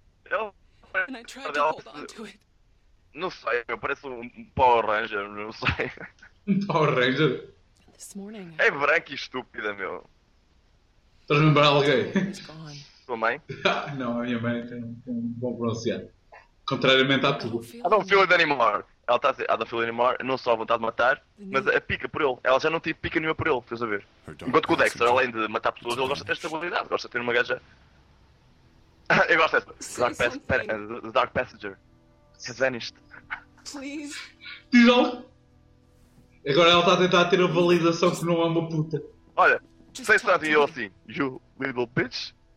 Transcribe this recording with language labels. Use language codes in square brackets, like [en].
[en] And I tried to hold on to it. [pt] Não sei, eu pareço um Power Ranger, não sei. Um Power Ranger? This morning. É branca e estúpida, meu. Estás a lembrar alguém? Sua mãe? Não, a minha mãe tem um bom bronzeado. Contrariamente a tudo. [en] I don't feel it anymore. Ela está a dizer, I don't feel it anymore. [pt] Não só a vontade de matar, mas a pica por ele. Ela já não tem pica nenhuma por ele, estás a ver? Enquanto que o Dexter, além de matar pessoas, ele gosta de ter estabilidade. Gosta de ter uma gaja. Eu gosto dessa. [en] The Dark Passenger. Has vanished. [pt] Please. Diz algo. Agora ela está a tentar ter a validação que não é uma puta. Olha. [en] Say something to you assim, you little bitch.